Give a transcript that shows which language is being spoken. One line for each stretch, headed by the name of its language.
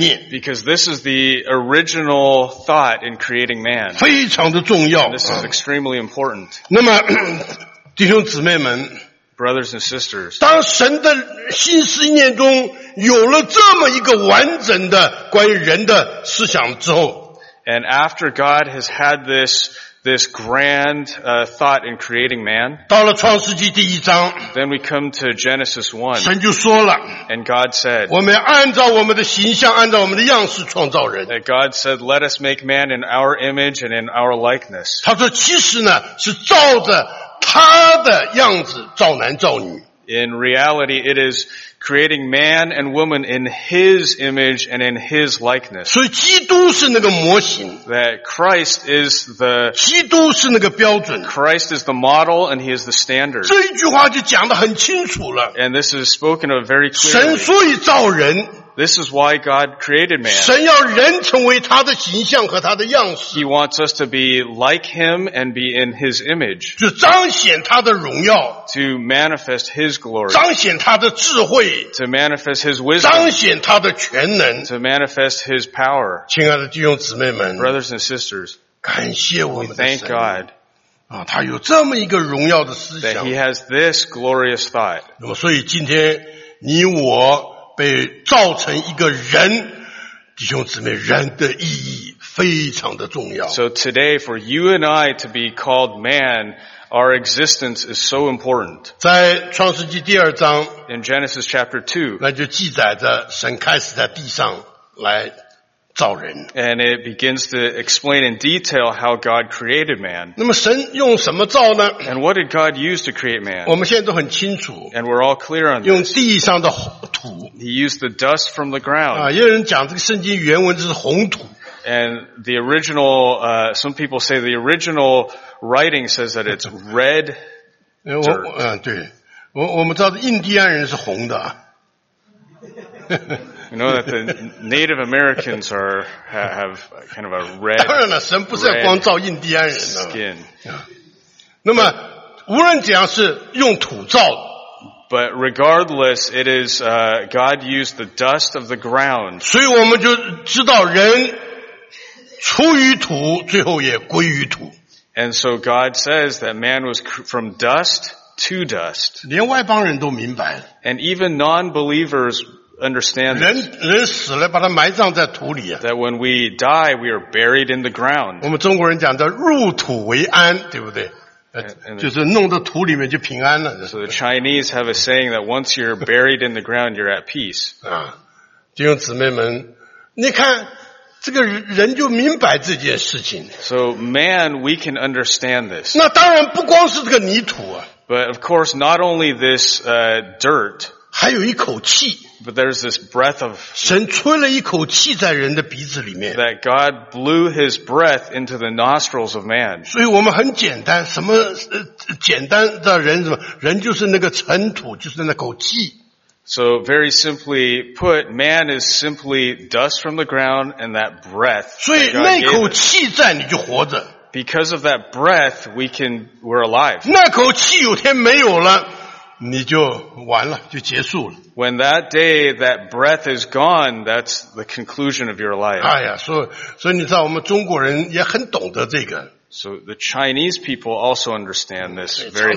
English: Because this is the original thought in creating man. And this is extremely important.
Chinese: 那么,弟兄姊妹们,
English: brothers and sisters,
Chinese: 当神的心思念中有了这么一个完整的关于人的思想之后,
English: and after God has had this this grand thought in creating man.
Chinese: 到了创世纪第一章,
English: then we come to Genesis 1.
Chinese: 神就说了,
English: and God said,
Chinese: 我们按照我们的形象, 按照我们的样式创造人。
English: And God said, let us make man in our image and in our likeness.
Chinese: 他说其实呢是照着他的样子造男造女。
English: In reality, it is creating man and woman in his image and in his likeness.
Chinese: 所以基督是那个模型。
English: That Christ is the,
Chinese: 基督是那个标准。
English: Christ is the model and he is the standard.
Chinese: 这一句话就讲得很清楚了。
English: And this is spoken of very clearly.
Chinese: 神所以造人。
English: This is why God created man.
Chinese: 神要人成为他的形象和他的样式。
English: He wants us to be like him and be in his image.
Chinese: 就彰显他的荣耀。
English: To manifest his glory.
Chinese: 彰显他的智慧。
English: To manifest his wisdom.
Chinese: 彰显他的全能。
English: To manifest his power.
Chinese: 亲爱的弟兄姊妹们。
English: Brothers and sisters.
Chinese: 感谢我们的神。
English: We thank God.
Chinese: 啊，他有这么一个荣耀的思想。
English: That he has this glorious thought.
Chinese: 那么所以今天你我被造成一个人，弟兄姊妹，人的意义非常的重要。
English: So today, for you and I to be called man, our existence is so important.
Chinese: 在创世纪第二章
English: ，In Genesis chapter 2,
Chinese: 那就记载着神开始在地上来造人。
English: And it begins to explain in detail how God created man.
Chinese: 那么神用什么造呢
English: ？And what did God use to create man?
Chinese: 我们现在都很清楚。
English: And we're all clear on this.
Chinese: 用地上的土。
English: He used the dust from the ground.
Chinese: 啊，有人讲这个圣经原文就是红土。
English: And the original, some people say the original writing says that it's red dirt.
Chinese: 对，我们知道印第安人是红的。
English: You know that the Native Americans are, have kind of a red,
Chinese: 当然了，神不是要光照印第安人的
English: skin.
Chinese: 那么无论怎样是用土造的。
English: But regardless, it is, God used the dust of the ground.
Chinese: 所以我们就知道人出于土最后也归于土。
English: And so God says that man was from dust to dust.
Chinese: 连外邦人都明白了。
English: And even non-believers understand this,
Chinese: 人死了把他埋葬在土里啊。
English: That when we die, we are buried in the ground.
Chinese: 我们中国人讲的入土为安，对不对？就是弄到土里面就平安了。
English: So the Chinese have a saying that once you're buried in the ground, you're at peace.
Chinese: 啊，弟兄姊妹们，你看这个人就明白这件事情。
English: So man, we can understand this.
Chinese: 那当然不光是这个泥土啊。
English: But of course, not only this dirt.
Chinese: 还有一口气。
English: But there's this breath of,
Chinese: 神吹了一口气在人的鼻子里面。
English: That God blew his breath into the nostrils of man.
Chinese: 所以我们很简单，什么，简单的人什么，人就是那个尘土，就是那口气。
English: So very simply put, man is simply dust from the ground and that breath.
Chinese: 所以那口气在你就活着。
English: Because of that breath, we're alive.
Chinese: 那口气有天没有了。你就完了，就结束了。
English: When that day, that breath is gone, that's the conclusion of your life.
Chinese: 哎呀，所以你知道，我们中国人也很懂得这个。
English: So the Chinese people also understand this very well.